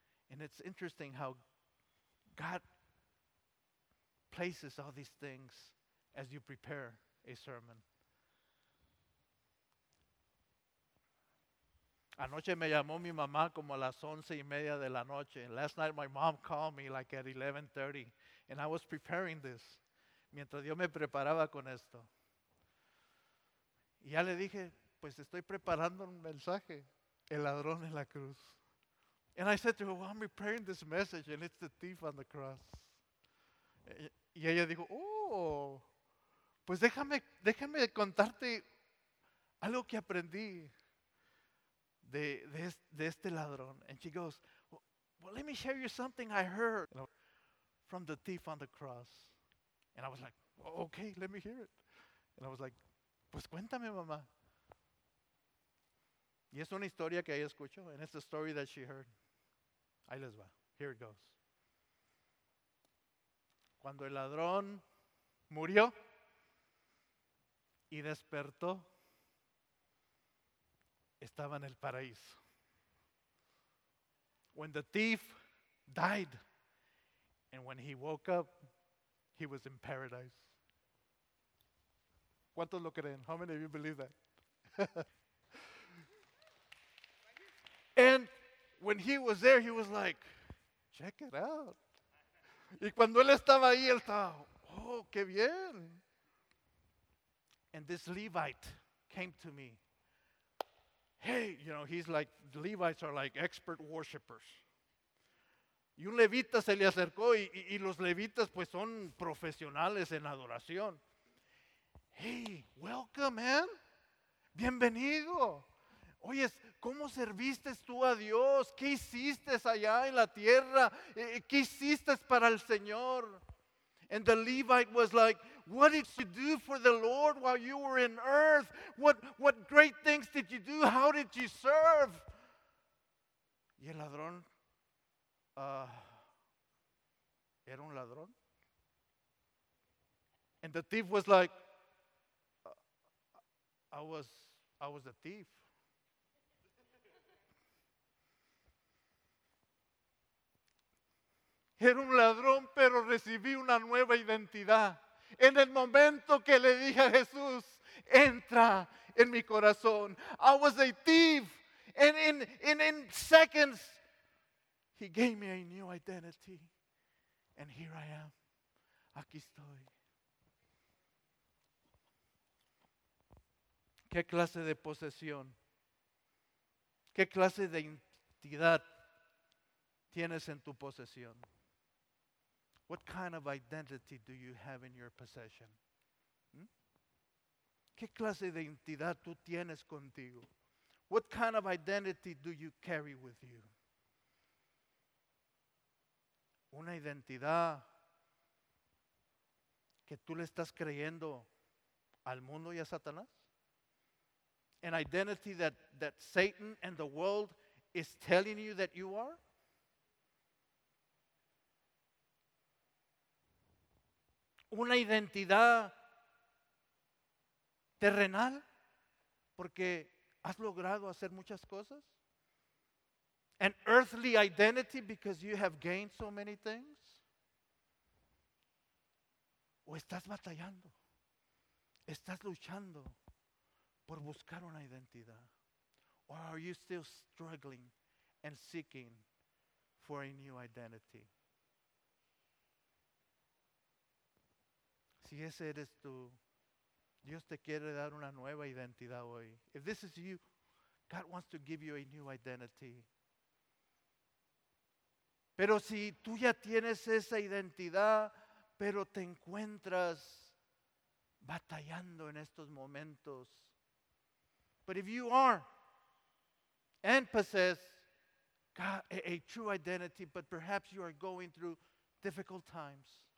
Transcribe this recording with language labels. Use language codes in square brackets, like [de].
[en] And it's interesting how God places all these things as you prepare a sermon. [es] Anoche me llamó mi mamá como a las 11:30 de la noche. [en] Last night my mom called me like at 11:30. And I was preparing this. [es] Mientras yo me preparaba con esto. Y ya le dije, pues estoy preparando un mensaje. El ladrón en la cruz. [en] And I said to her, well, I'm preparing this message and it's the thief on the cross. [es] Y ella dijo, oh, pues déjame contarte algo que aprendí de este ladrón. [en] And she goes, well, let me share you something I heard from the thief on the cross. And I was like, well, okay, let me hear it. And I was like, [es] pues cuéntame, mamá. Y es una historia que ella escuchó, [en] and it's a story that she heard. [es] Ahí les va. [en] Here it goes. [es] Cuando el ladrón murió y despertó, estaba en el paraíso. [en] When the thief died, and when he woke up, he was in paradise. [es] ¿Cuántos lo creen? [en] How many of you believe that? And when he was there, he was like, check it out. [es] Y cuando él estaba ahí, él estaba, oh, qué bien. [en] And this Levite came to me. Hey, you know, he's like, the Levites are like expert worshipers. [es] Y un levita se le acercó, y los levitas pues son profesionales en adoración. [en] Hey, welcome, man. [es] Bienvenido. Oye, ¿cómo serviste tú a Dios? ¿Qué hiciste allá en la tierra? ¿Qué hiciste para el Señor? [en] And the Levite was like, what did you do for the Lord while you were in earth? What great things did you do? How did you serve? [es] Y el ladrón, ¿era un ladrón? [en] And the thief was like, I was the thief. [es] Era un ladrón, pero recibí una nueva identidad. En el momento que le dije a Jesús, entra en mi corazón. [en] I was a thief. And in seconds, he gave me a new identity. And here I am. [es] Aquí estoy. ¿Qué clase de posesión? ¿Qué clase de identidad tienes en tu posesión? [en] What kind of identity do you have in your possession? [es] ¿Qué clase de identidad tú tienes contigo? [en] What kind of identity do you carry with you? [es] Una identidad que tú le estás creyendo al mundo y a Satanás. [en] An identity that Satan and the world is telling you that you are. [es] Una identidad terrenal, porque has logrado hacer muchas cosas. [en] An earthly identity because you have gained so many things. [es] O estás batallando, estás luchando por buscar una identidad. [en] Or are you still struggling and seeking for a new identity? [es] Si ese eres tú, Dios te quiere dar una nueva identidad hoy. [en] If this is you, God wants to give you a new identity. [es] Pero si tú ya tienes esa identidad, pero te encuentras batallando en estos momentos. [en] But if you are and possess God, a true identity, but perhaps you are going through difficult times.